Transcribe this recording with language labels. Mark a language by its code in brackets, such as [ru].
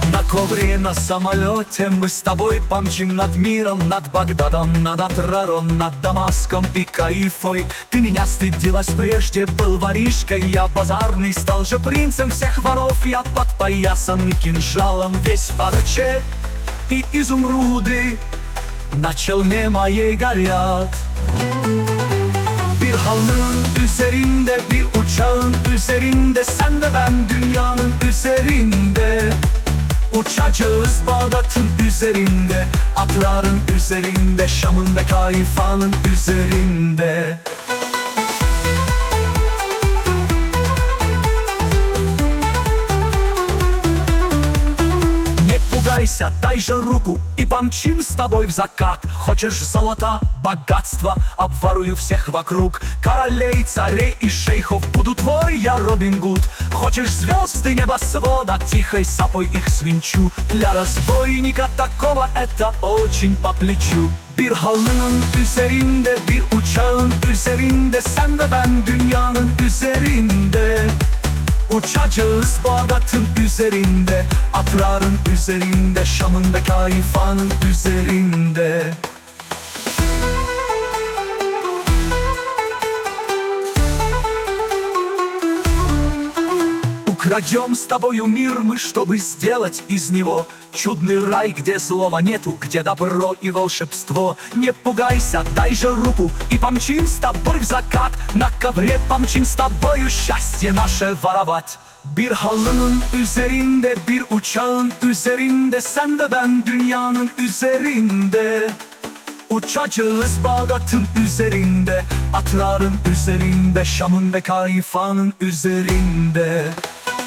[ru] Kovrije na samolote, мы с тобой помчим над миром, над Багдадом, над Атраром, над Дамаском и Кайфой. Ты меня стыдилась прежде, был воришкой, я базарный, стал же принцем всех воров, я подпоясан кинжалом, весь в парче и изумруды на челме моей горят. [tr] Bir halının üzerinde, bir uçağın üzerinde, sen ve ben dünyanın üzerinde. Uçacağız Bağdat'ın üzerinde, Atrar'ın üzerinde, Şam'ın ve Kayfa'nın üzerinde. [ru] Не пугайся, дай же руку и помчим с тобой в закат. Хочешь золота, богатства, обворую всех вокруг. Королей, царей и шейхов, буду твой я Робин Гуд. Хочешь звезды небосвода, тихой сапой их свинчу. Для разбойника такого это очень по плечу. [tr] Bir halının üzerinde, bir uçağın üzerinde, sen ve ben dünyanın üzerinde. Uçacağız Bağdat'ın üzerinde, Atrar'ın üzerinde, Şam'ın ve Kayfa'nın üzerinde. [ru] Украдем с тобою мир мы, чтобы сделать из него чудный рай, где злого нету, где добро и волшебство. Не пугайся, дай же руку и помчим с тобой в закат. На ковре помчим с тобою счастье наше воровать. [tr] Bir halının üzerinde, bir uçağın üzerinde, sen de ben dünyanın üzerinde. Uçacağız Bağdat'ın üzerinde, Atrar'ın üzerinde, Şam'ın ve Kayfa'nın üzerinde.